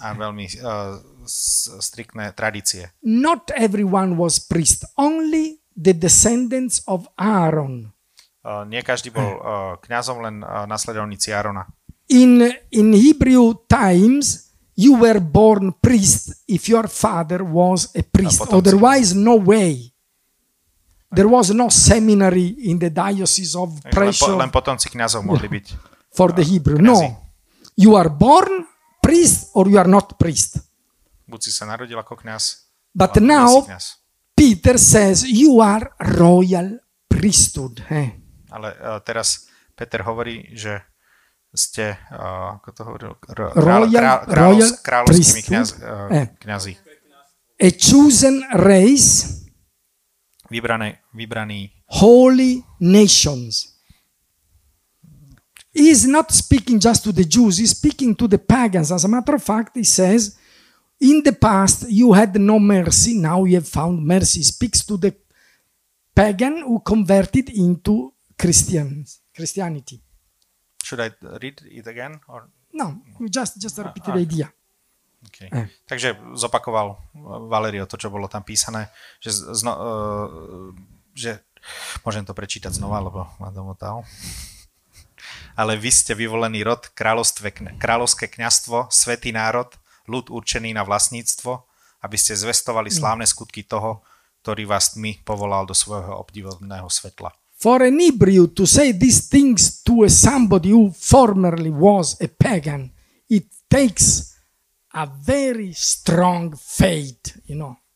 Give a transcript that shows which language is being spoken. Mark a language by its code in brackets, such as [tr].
[sk] A veľmi striktné tradície. [en] Not everyone was priest, only the descendants of Aaron. [sk] Nie každý bol kňazom, len nasledovníci Aarona. [en] In Hebrew times you were born priest if your father was a priest. Otherwise no way. There was no seminary in the diocese of Prešov. [sk] Len potomci kňazov mohli byť. [en] For the Hebrew, kniazy. No. You are born priest or you are not priest. [sk] Buď si sa narodil ako kňaz. [en] But now kniaz. Peter says you are royal priesthood. [sk] Ale teraz Peter hovorí, že ste, ako to hovoril, kráľovskými kňazi. [en] A chosen race. [sk] Vybraný. [en] Holy nations. He is not speaking just to the Jews, he's speaking to the pagans. As a matter of fact, he says, in the past you had no mercy, now you have found mercy. He speaks to the pagan who converted into Christianity. Should I read it again? Or? No, just repeat the idea. Okay. [sk] Takže zopakoval Valerio to, čo bolo tam písané, že môžem to prečítať znova, lebo ma domotal. Ale vy ste vyvolený rod, kráľovské kňazstvo, svätý národ, ľud určený na vlastníctvo, aby ste zvestovali slávne skutky toho, ktorý vás tmy povolal do svojho obdivodného svetla. [en] For an Hebrew to say these things to somebody who formerly was a pagan, it takes a very strong faith, you know.